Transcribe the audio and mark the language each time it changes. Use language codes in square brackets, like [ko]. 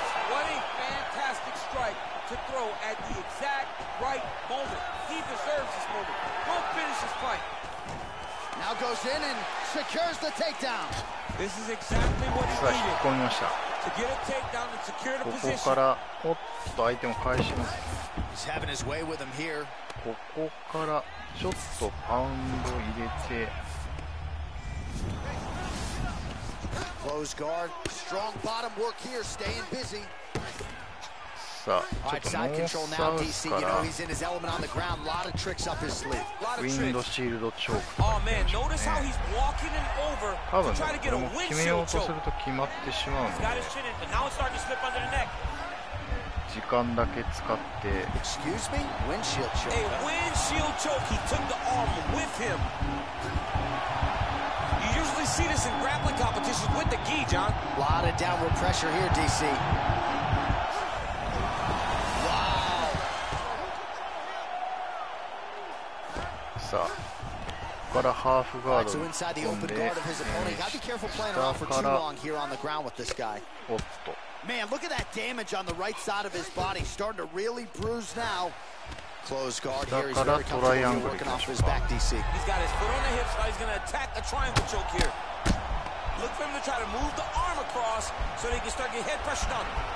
[en] What a fantastic strike to throw at the exact right moment. He deserves this moment. We'll finish his fight. Now goes in and secures the takedown. This is exactly what he needed. [ja] 引っ込みました。 [en] To get a takedown and secure the position. [ja] ここからおっと相手も返します。 [en] He's having his way with him here. [ja] ここからちょっとパウンド入れて、 [en] Close guard. Strong bottom work here. Staying busy. [ja] さあ、ちょっとノースサウスから、 [en] you know, he's in his element on the ground. A lot of tricks up his sleeve. [ja] ウィンドシールドチョーク。 [en] Oh man, notice how he's walking him over. [ja] 多分ね、これも決めようとすると決まってしまうので。 [en] He's got his chin in, but now it's starting to slip under the neck. [ja] 時間だけ使って。 [en] Excuse me? Windshield choke. A windshield choke. He took the arm with him. You usually see this in grappling competitions with the gi, John. A lot of downward pressure here, DC. Wow. [ja] さあ、ここからハーフガードに飛んで、下から。おっと。 [en] Man, look at that damage on the right side of his body. Starting to really bruise now. Close guard here. He's very comfortable working off his back, DC. He's got his foot on the hips. Now he's going to attack a triangle choke here. Look for him to try to move the arm across so that he can start getting head pressure done.